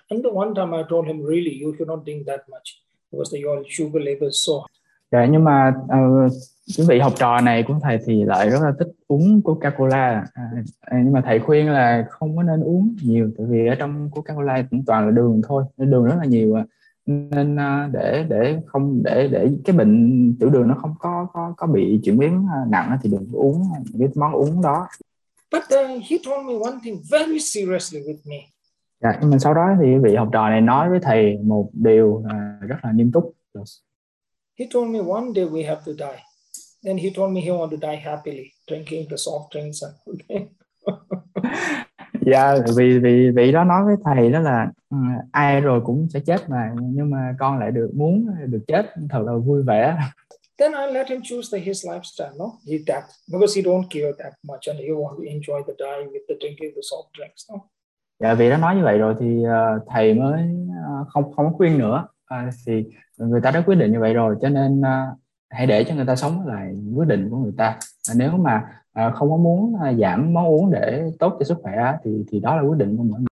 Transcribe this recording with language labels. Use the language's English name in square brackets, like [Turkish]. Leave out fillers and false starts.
[English] And the one time I told him really you cannot drink that much because the your sugar level is so. [Vietnamese] Dạ, nhưng mà cái vị học trò này của thầy thì lại rất là thích uống Coca Cola, nhưng mà thầy khuyên là không có nên uống nhiều, tại vì ở trong Coca Cola cũng toàn là đường thôi, đường rất là nhiều. nên để cái bệnh tiểu đường nó không có bị chuyển biến nặng thì đừng uống cái món uống đó. [English] He told me one thing very seriously with me. [Vietnamese] Dạ, nhưng mà sau đó thì vị học trò này nói với thầy một điều rất là nghiêm túc. [English] He told me one day we have to die. Then he told me he want to die happily, drinking the soft drinks and [Vietnamese] Dạ, vì vị đó nói với thầy đó là ai rồi cũng sẽ chết mà, nhưng mà con lại được muốn được chết thật là vui vẻ. [English] Then I let him choose the his lifestyle, no? He that because he don't care that much and he want to enjoy the day with the drinking the soft drinks, no? [Vietnamese] Dạ, vì đã nói như vậy rồi thì thầy mới không không khuyên nữa. Thì người ta đã quyết định như vậy rồi, cho nên hãy để cho người ta sống lại quyết định của người ta. Nếu mà không có muốn giảm món uống để tốt cho sức khỏe thì đó là quyết định của